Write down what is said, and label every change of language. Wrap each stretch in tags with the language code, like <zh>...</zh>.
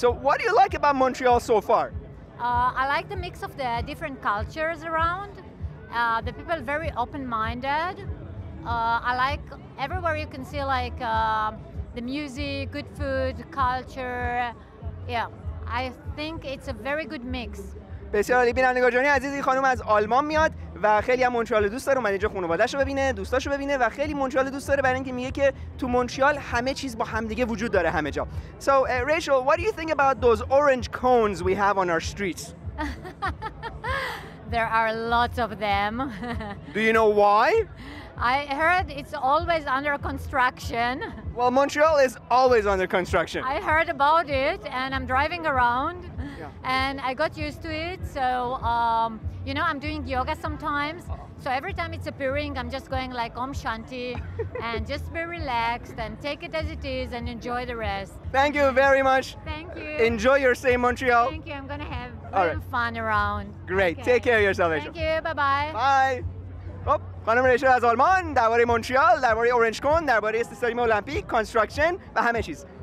<en>So what do you like about Montreal so far? I like the mix of the different cultures around. The people are very open-minded. I like everywhere you can see, like, the music, good food, culture, yeah. I think it's a very good mix.</en> <fa>بسیار عالی. بینندگان جان عزیز، این خانم از آلمان میاد و خیلی هم مونترال دوست داره، اومده اینجا خانواده‌اشو ببینه، دوستاشو ببینه و خیلی مونترال دوست داره، برای اینکه میگه که تو مونترال همه چیز با همدیگه وجود داره، همه جا.</fa> <en>So, Rachel, what do you think about those orange cones we have on our streets? There are lots of them. Do you know why? I heard it's always under construction. Well, Montreal is always under construction. I heard about it and I'm driving around, yeah. And I got used to it. So, you know, I'm doing yoga sometimes. So every time it's appearing, I'm just going like Om Shanti and just be relaxed and take it as it is and enjoy the rest. Thank you very much. Thank you. Enjoy your stay in Montreal. Thank you. I'm going to have real right. fun around. Great. Okay. Take care of yourself, Rachel. Thank you. Bye-bye. Bye. Oh.</en> <fa>خانم ریشل از آلمان درباره مونترال، درباره اورنج کون، درباره استادیوم المپیک، کانستراکشن و همه چیز.</fa>